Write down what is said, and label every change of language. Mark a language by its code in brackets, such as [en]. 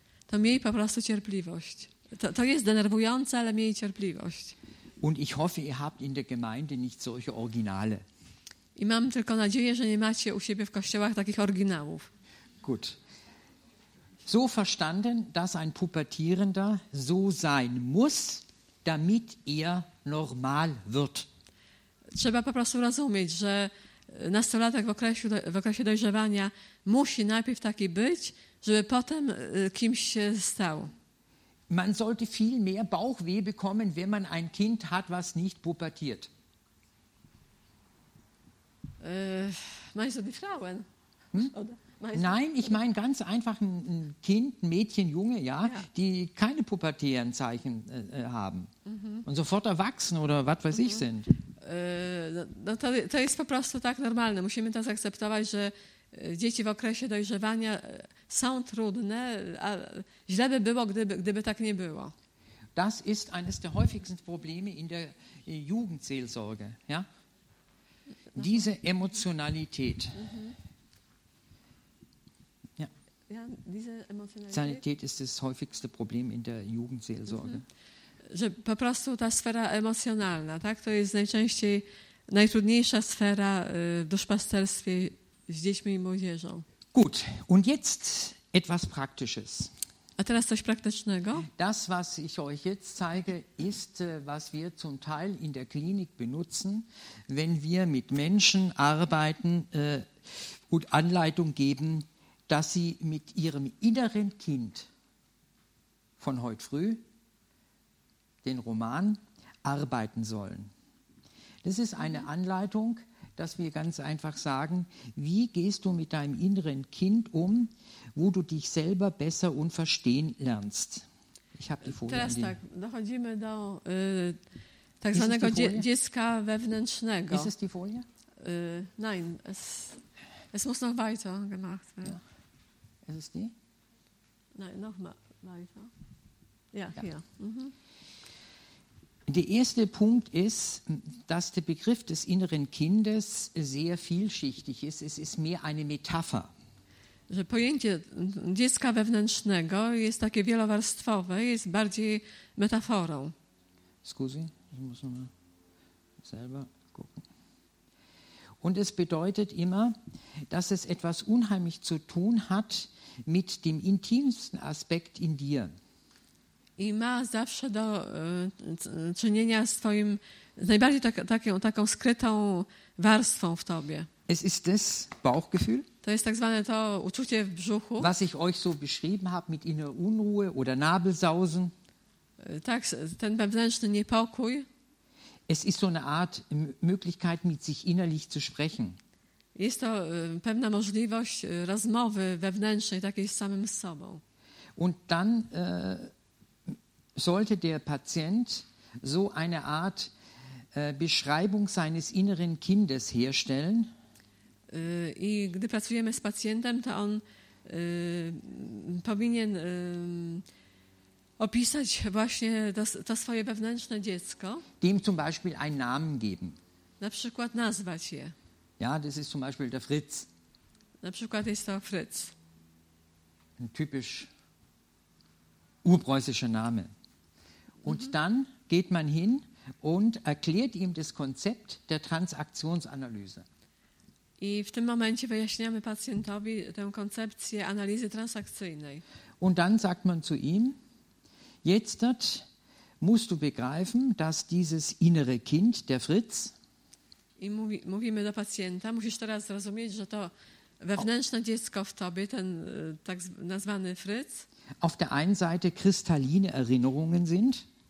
[pl] To miej po prostu cierpliwość. To jest denerwujące, ale miej cierpliwość. [de] Und ich hoffe, ihr habt in der Gemeinde nicht solche Originale. [pl] I mam tylko nadzieję, że nie macie u siebie w kościołach takich oryginałów. [de] Gut. So verstanden, dass ein Pubertierender so sein muss, damit er normal wird. [pl] Trzeba po prostu rozumieć, że nastolatek w okresie dojrzewania musi najpierw taki być, żeby potem kimś się stał. [de] Man sollte viel mehr Bauchweh bekommen, wenn man ein Kind hat, was nicht pubertiert. Meinst du die Frauen? Nein, ich meine ganz einfach ein Kind, ein Mädchen, Junge, ja, die keine pubertären Zeichen haben und sofort erwachsen oder was weiß ich sind. [pl] To jest po prostu tak normalne. Musimy to zaakceptować, że dzieci w okresie dojrzewania są trudne, a źle by było, gdyby tak nie było. [de] Das ist eines der häufigsten Probleme in der Jugendseelsorge, ja? Diese Emotionalität. Diese Sanität ist das häufigste Problem in der Jugendseelsorge. [pl] Że po prostu ta sfera emocjonalna, tak? To jest najczęściej najtrudniejsza sfera w duszpasterstwie z dziećmi i młodzieżą. [de] Gut, und jetzt etwas Praktisches. [pl] A teraz coś praktycznego. [de] Das, was ich euch jetzt zeige, ist, was wir zum Teil in der Klinik benutzen, wenn wir mit Menschen arbeiten und Anleitung geben, dass sie mit ihrem inneren Kind von heute früh den Roman arbeiten sollen. Das ist eine Anleitung, dass wir ganz einfach sagen, wie gehst du mit deinem inneren Kind um, wo du dich selber besser und verstehen lernst. Ich habe die Folie. [pl] Teraz tak, dochodzimy do tak zwanego dziecka wewnętrznego. [de] Ist es die Folie? Nein, es muss noch weiter gemacht werden. Ja. Ist es die? Nein, noch mal weiter. Ja, ja. Der erste Punkt ist, dass der Begriff des inneren Kindes sehr vielschichtig ist. Es ist mehr eine Metapher. [pl] Że pojęcie dziecka wewnętrznego jest takie wielowarstwowe, jest bardziej metaforą. [de] Scusi, ich muss nochmal selber gucken. Und es bedeutet immer, dass es etwas unheimlich zu tun hat mit dem intimsten Aspekt in dir. [pl] I ma zawsze do czynienia z twoim najbardziej taką skrytą warstwą w tobie. [de] Es ist das Bauchgefühl. [pl] To jest tak zwane to uczucie w brzuchu. [de] Was ich euch so beschrieben habe mit innerer Unruhe oder Nabelsausen. [pl] Tak, ten wewnętrzny niepokój. [de] Es ist so eine Art Möglichkeit, mit sich innerlich zu sprechen. [pl] Jest to pewna możliwość rozmowy wewnętrznej, takiej z samym z sobą. [de] Und dann sollte der Patient so eine Art Beschreibung seines inneren Kindes herstellen. [pl] I gdy pracujemy z pacjentem, to on powinien opisać właśnie to swoje wewnętrzne dziecko. [de] Dem zum Beispiel einen Namen geben. [pl] Na przykład nazwać je. [de] Ja, das ist zum Beispiel der Fritz. [pl] Na przykład jest to Fritz. [de] Ein typisch urpreußischer Name. Und dann geht man hin und erklärt ihm das Konzept der Transaktionsanalyse. [pl] I w tym momencie wyjaśniamy pacjentowi tę koncepcję analizy transakcyjnej. [de] Und dann sagt man zu ihm: Jetzt musst du begreifen, dass dieses innere Kind, der Fritz. [pl] I mówimy do pacjenta: Musisz teraz zrozumieć, że to wewnętrzne dziecko w tobie, ten tak nazwany Fritz. [de] Auf der einen Seite kristalline Erinnerungen sind.